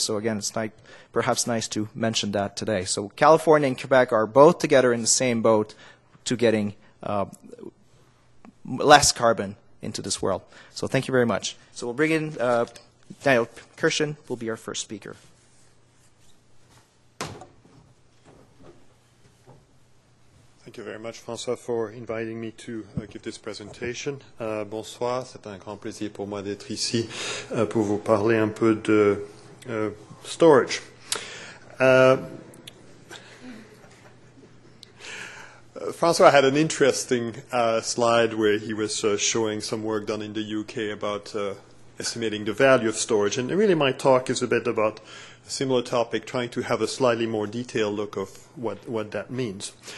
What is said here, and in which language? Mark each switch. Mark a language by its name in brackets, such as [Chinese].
[English] So again, it's perhaps nice to mention that today. So California and Quebec are both together in the same boat to getting less carbon into this world. So thank you very much. So we'll bring in Daniel Kirshen, will be our first speaker. Thank you very much, François, for inviting me to give this presentation. [French] Bonsoir, c'est un grand plaisir pour moi d'être ici pour vous parler un peu de storage. [English] François had an interesting slide where he was showing some work done in the UK about estimating the value of storage. And really my talk is a bit about a similar topic, trying to have a slightly more detailed look of what that means.